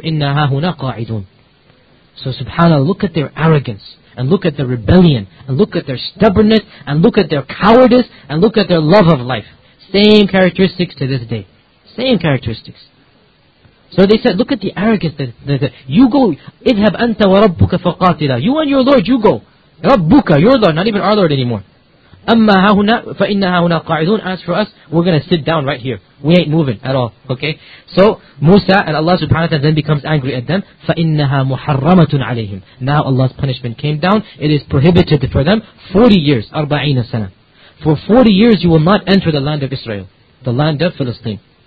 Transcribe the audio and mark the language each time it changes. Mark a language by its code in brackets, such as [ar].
[ar] إِنَّا هَهُنَا قَاعِدُونَ. [en] So subhanAllah, look at their arrogance, and look at their rebellion, and look at their stubbornness, and look at their cowardice, and look at their love of life. Same characteristics to this day. Same characteristics. So they said, look at the arrogance. That you go, [ar] اذهب أنت وربك فقاتلا. [en] You and your Lord, you go. ربك, your Lord, not even our Lord anymore. [ar] أما هاهنا فإن هاهنا قاعدون. [en] As for us, we're going to sit down right here. We ain't moving at all. Okay? So, Musa and Allah subhanahu wa ta'ala then becomes angry at them. [ar] فَإِنَّهَا مُحَرَّمَةٌ عَلَيْهِمْ. [en] Now Allah's punishment came down. It is prohibited for them. 40 years. 40 سنة. For 40 years you will not enter the land of Israel. The land of Palestine.